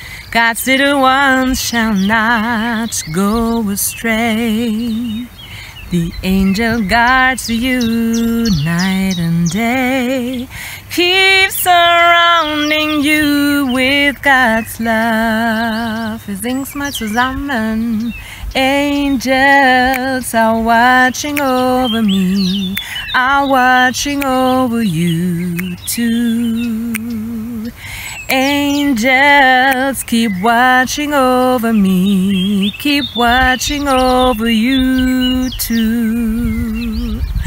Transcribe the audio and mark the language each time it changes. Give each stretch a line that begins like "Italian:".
English: God's little ones shall not go astray. The angel guards you night and day, keeps surrounding you with God's love.
German: Wir singen's mal zusammen.
English: Angels are watching over me, are watching over you too. Angels keep watching over me, keep watching over you too.